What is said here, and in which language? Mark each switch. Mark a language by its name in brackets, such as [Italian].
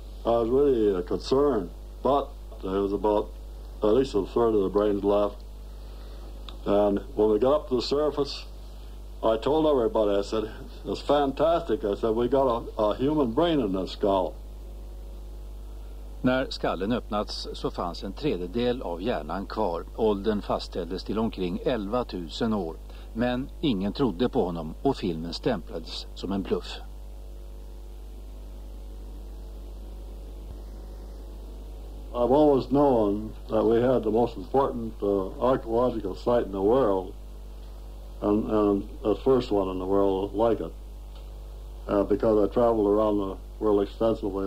[English] I was really concerned, but there was about at least a third of the brains left. And when we got up to the surface, I told everybody, I said, it's fantastic. I said, we got a human brain in this skull. [Swedish] När skallen öppnats så fanns en tredjedel av hjärnan kvar. Åldern fastställdes till omkring 11 000 år. Men ingen trodde på honom och filmen stämplades som en bluff. [English] I've always known that we had the most important archaeological site in the world, and the first one in the world like it, because I traveled around the world extensively.